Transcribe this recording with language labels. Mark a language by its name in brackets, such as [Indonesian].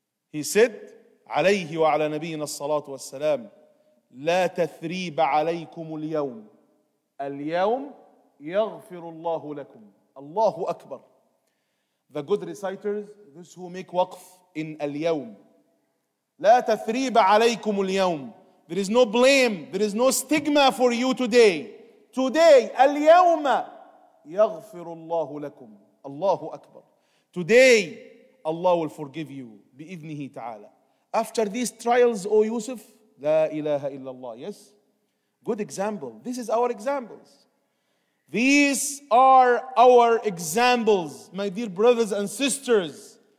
[English] He said, [Arabic] عَلَيْهِ وَعَلَى نَبِيِّنَا الصَّلَاةُ وَالسَّلَامُ لَا تَثْرِيبَ عَلَيْكُمُ الْيَوْمُ الْيَوْمُ يَغْفِرُ اللَّهُ لَكُمْ. Allahu Akbar. [English] The good reciters, those who make waqf in الْيَوْمُ. [Arabic] لَا تَثْرِيبَ عَلَيْكُمُ الْيَوْمُ. [English] There is no blame, there is no stigma for you today. Today, [Arabic] الْيَوْمَ يَغْفِرُ اللَّهُ لَكُمْ. Allahu Akbar. [English] Today, Allah will forgive you. [Arabic] Bi-idhnihi ta'ala. [English] After these trials, O Yusuf, [Arabic] la ilaha illallah. [English] Yes? Good example. This is our examples. These are our examples, my dear brothers and sisters.